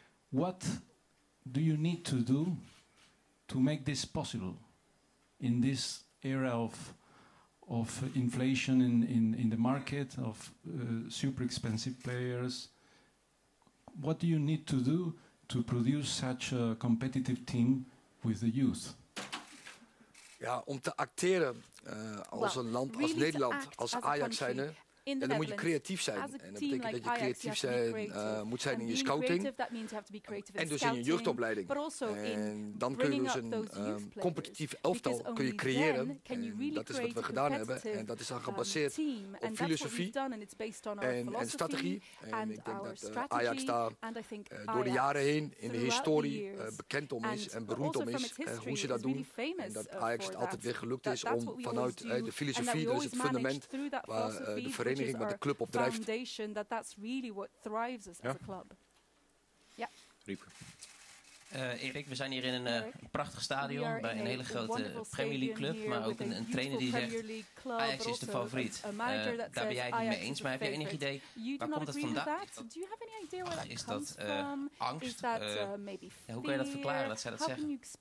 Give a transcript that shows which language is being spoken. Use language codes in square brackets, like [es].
[en] What do you need to do to make this possible in this era of inflation in the market, of super expensive players? What do you need to do to produce such a competitive team with the youth? [nl] Ja, om te acteren als een land, als really Nederland, als Ajax zijnde. En dan moet je creatief zijn. En dat betekent dat je creatief moet zijn in je scouting. En dus in je jeugdopleiding. En dan kun je dus een competitief elftal kun je creëren. En dat is wat we gedaan hebben. En dat is dan gebaseerd op filosofie en strategie. En ik denk dat Ajax daar door de jaren heen in de historie bekend om is en beroemd om is. Hoe ze dat doen. En dat Ajax het altijd weer gelukt is om vanuit de filosofie, dat is het fundament waar de vereniging, wat de club opdrijft. [en] Foundation, that's really what thrives us, ja, as a club. [nl] Ja. Erik, we zijn hier in een prachtig stadion bij een hele grote Premier League club, maar ook een trainer die zegt Ajax is de favoriet. Daar ben jij het niet mee eens, maar heb je enig idee waar komt dat vandaan? Is dat angst? Hoe kan je dat verklaren dat zij dat zeggen?